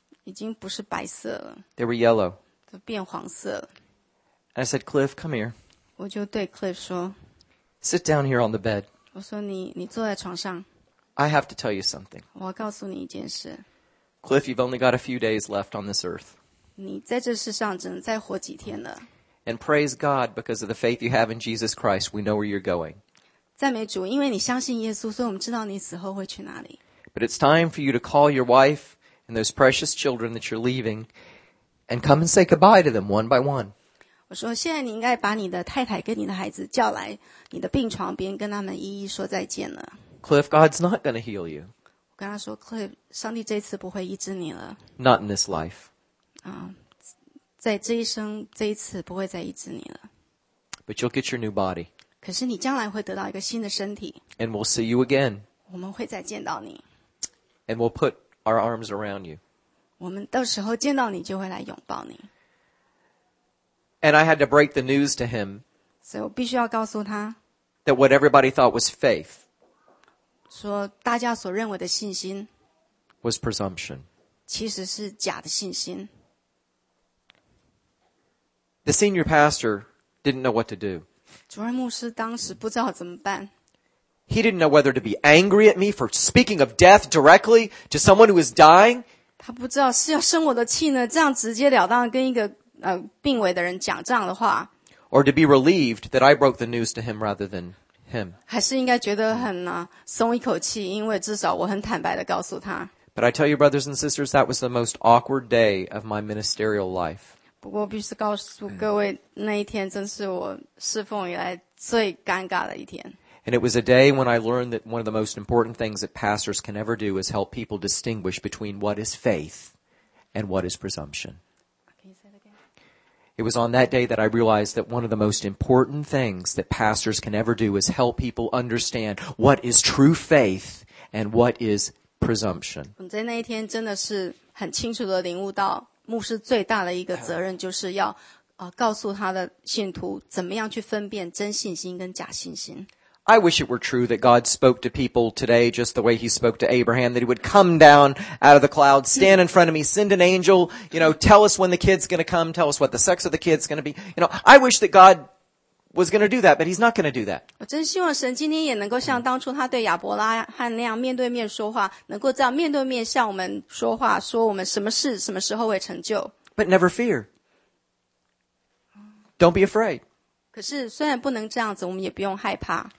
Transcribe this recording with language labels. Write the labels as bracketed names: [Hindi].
[Chinese] 已经不是白色了。 [English] They were yellow. [Chinese] 都变黄色了。 [English] And I said, Cliff, come here. [Chinese] 我就对 Cliff 说。 [English] Sit down here on the bed. [Chinese] 我说你坐在床上。 [English] I have to tell you something. [Chinese] 我要告诉你一件事。 [English] Cliff, you've only got a few days left on this earth. [Chinese] 你在这世上只能再活几天了。 [English] And praise God, because of the faith you have in Jesus Christ, we know where you're going. [Chinese] 赞美主，因为你相信耶稣，所以我们知道你死后会去哪里。 [English] But it's time for you to call your wife and those precious children that you're leaving and come and say goodbye to them one by one. [Chinese] 我说，现在你应该把你的太太跟你的孩子叫来你的病床边，跟他们一一说再见了。 [English] Cliff, God's not going to heal you. [Chinese] 我跟他说 ，Cliff， 上帝这次不会医治你了。 [English] Not in this life. [Chinese] 啊，在这一生这一次不会再医治你了。 [English] But you'll get your new body. [Chinese] 可是你将来会得到一个新的身体。 [English] And we'll see you again. [Chinese] 我们会再见到你。 [English] And we'll put our arms around you. [Chinese] 我们到时候见到你就会来拥抱你。 [English] And I had to break the news to him. [Chinese] 所以我必须要告诉他。 [English] That what everybody thought was faith. [Chinese] 说大家所认为的信心 [English] was presumption. [Chinese] 其实是假的信心。 [English] The senior pastor didn't know what to do. [Chinese] 主任牧师当时不知道怎么办。 [English] He didn't know whether to be angry at me for speaking of death directly to someone who is dying. [Chinese] 他不知道是要生我的气呢，这样直截了当跟一个病危的人讲这样的话。 [English] Or to be relieved that I broke the news to him rather than him. [Chinese] 还是应该觉得很松一口气，因为至少我很坦白地告诉他。 [English] But I tell you, brothers and sisters, that was the most awkward day of my ministerial life. [Chinese] 不过必须告诉各位，那一天真是我侍奉以来最尴尬的一天。 [English] And it was a day when I learned that one of the most important things that pastors can ever do is help people distinguish between what is faith and what is presumption. It was on that day that I realized that one of the most important things that pastors can ever do is help people understand what is true faith and what is presumption. [Chinese] 我在那一天真的是很清楚地领悟到，牧师最大的一个责任就是要告诉他的信徒怎么样去分辨真信心跟假信心。 [English] I wish it were true that God spoke to people today just the way he spoke to Abraham, that he would come down out of the cloud, stand in front of me, send an angel, you know, tell us when the kid's going to come, tell us what the sex of the kid's going to be. You know, I wish that God was going to do that, but he's not going to do that. [Chinese] 我真希望神今天也能够像当初他对亚伯拉罕那样面对面说话，能够这样面对面向我们说话，说我们什么事，什么时候会成就。 [English] But never fear. Don't be afraid. [Chinese] 可是虽然不能这样子，我们也不用害怕。